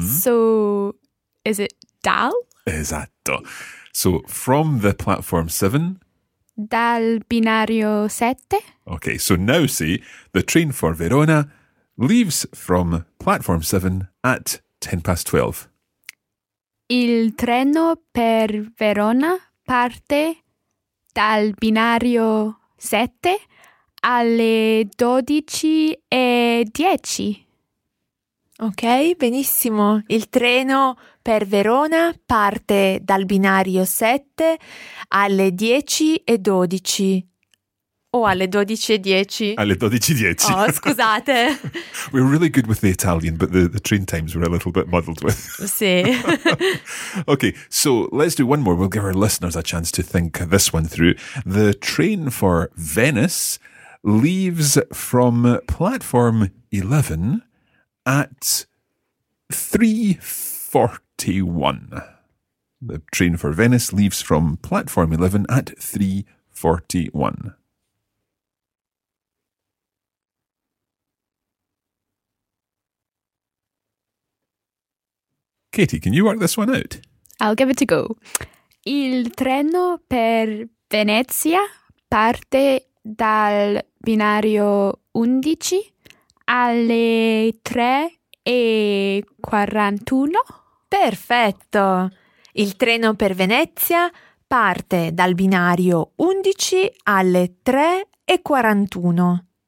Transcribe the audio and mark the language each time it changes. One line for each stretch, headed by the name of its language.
English: So is it dal? Esatto. So from the platform 7.
Italian: Dal binario 7.
English: Okay, so now see, the train for Verona leaves from platform 7 at 12:10.
Italian: Il treno per Verona parte dal binario 7 alle 12:10. Ok, benissimo. Il treno per Verona parte dal binario 7 alle 10:12. O alle 12:10. Alle 12:10. Oh, scusate.
English: We're really good with the Italian, but the train times we're a little bit muddled with.
Italian: Sì.
English: Okay, so let's do one more. We'll give our listeners a chance to think this one through. The train for Venice leaves from platform 11 at 3:41. The train for Venice leaves from platform 11 at 3:41. Katie, can you work this one out? I'll give it a go.
Italian: Il treno per Venezia parte dal binario 11 alle 3:41. Perfetto! Il treno per Venezia parte dal binario 11 alle 3:41.